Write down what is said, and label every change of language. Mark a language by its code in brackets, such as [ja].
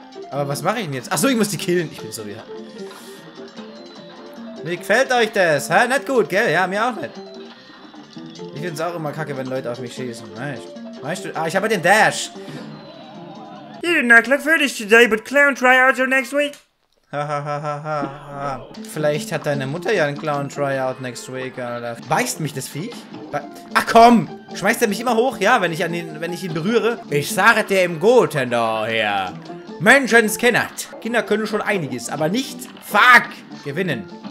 [de] Aber was mache ich denn jetzt? Achso, ich muss die killen. Ich bin so wieder. Wie gefällt euch das? Hä? Nicht gut, gell? Ja, mir auch nicht. Ich finde es auch immer kacke, wenn Leute auf mich schießen. Weißt du? Ah, ich habe den Dash. [en] You did not look foolish today, but clown tryouts are next week. Hahaha. [de] Vielleicht hat deine Mutter ja einen Clown Tryout [en] next week, [de] oder? Beißt mich das Viech? Ach komm! Schmeißt er mich immer hoch, ja, wenn ich ihn berühre? Ich sage dir im Guten daher. Menschenskennert. Kinder können schon einiges, aber nicht fuck gewinnen.